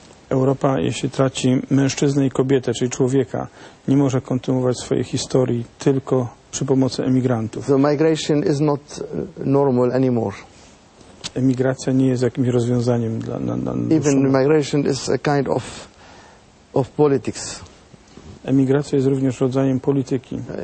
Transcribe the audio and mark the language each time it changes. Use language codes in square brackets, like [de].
[pl] Europa, jeśli traci mężczyznę i kobietę, czyli człowieka, nie może kontynuować swojej historii tylko przy pomocy emigrantów. [en] The migration is not normal anymore. [pl] Emigracja nie jest jakimś rozwiązaniem dla [en] Even migration is a kind of politics. [pl] Emigracja jest również rodzajem polityki.